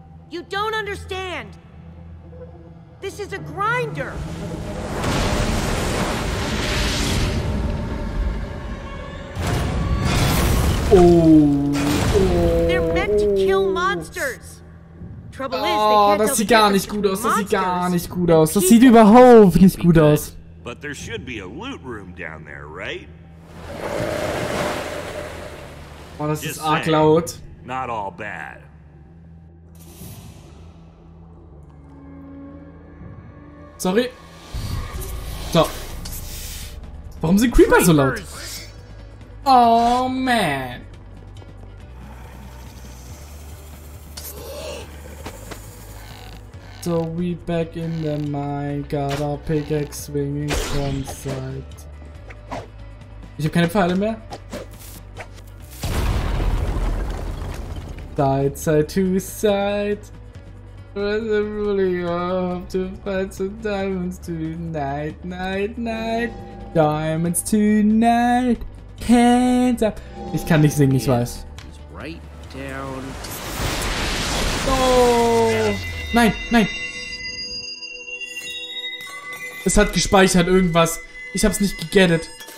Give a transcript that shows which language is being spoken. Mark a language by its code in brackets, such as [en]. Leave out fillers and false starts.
[en] You don't understand. This is a grinder. Oh. They're meant to kill monsters. Trouble is, [de] das sieht gar nicht gut aus. Das sieht überhaupt nicht gut aus. [en] But there should be a loot room down there, right? [de] Oh, das ist arg laut. [en] Not all bad. Sorry. So. [de] Warum sind Creeper so laut? Oh man. [en] So we back in the mine. Got our pickaxe swinging from side. [de] Ich habe keine Pfeile mehr. [en] Side, side to side. Presumably you'll have to find some diamonds tonight. Night, night. Diamonds tonight. Hands up. [de] Ich kann nicht singen, ich weiß. [en] He's right down. [de] Oh! Nein, nein! Es hat gespeichert irgendwas. Ich hab's nicht gegettet.